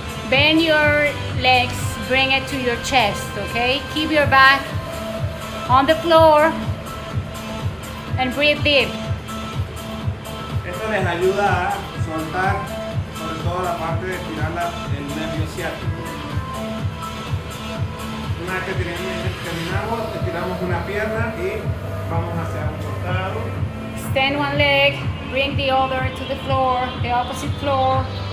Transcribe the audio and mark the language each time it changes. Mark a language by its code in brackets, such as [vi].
[en] Bend your legs, bring it to your chest, okay? Keep your back on the floor and breathe deep. [es] Esto les ayuda a soltar sobre todo la parte de estirar el nervio ciático. Una vez que terminamos, estiramos una pierna y vamos hacia un costado. [en] Extend one leg. Bring the other to the floor, the opposite floor.